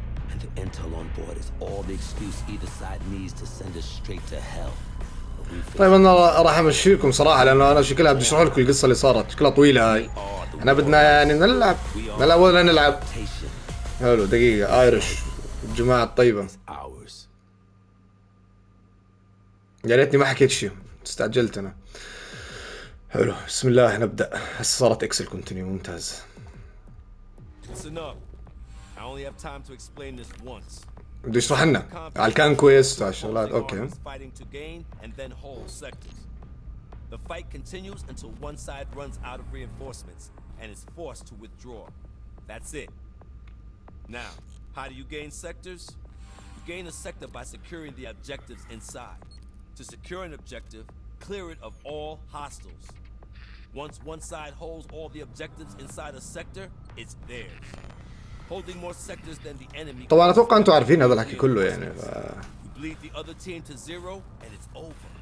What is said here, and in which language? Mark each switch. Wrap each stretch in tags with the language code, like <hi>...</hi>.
<en>And the intel on board is all the excuse either side needs to send us straight to hell.</en> <ar>طيب انا راح امشي لكم صراحه لانه انا شكلها بدي اشرح لكم القصه اللي صارت شكلها طويله هاي احنا بدنا يعني نلعب بلا ولا نلعب حلو دقيقه ايرش الجماعه الطيبه يا ريتني ما حكيت شيء استعجلت انا حلو بسم الله نبدا هسه صارت اكسل كونتينيو ممتاز</ar> <en>I only have time to explain this once.</en> <ar>بدي اشرح لنا على الكونكويست وعلى الشغلات اوكي.</ar> <en>Fighting to gain and then hold sectors. The fight continues until one side runs out of reinforcements and is forced to withdraw. That's it. Now, how do you gain sectors? You gain a sector by securing the objectives inside. To secure an objective, clear it of all hostiles. Once one side holds all the objectives inside a sector, it's theirs. Holding more sectors than the enemy.</en> <ar>طبعا اتوقع انتم عارفين هذا الحكي كله يعني</ar> <en>bleed the other team to zero and it's over.</en>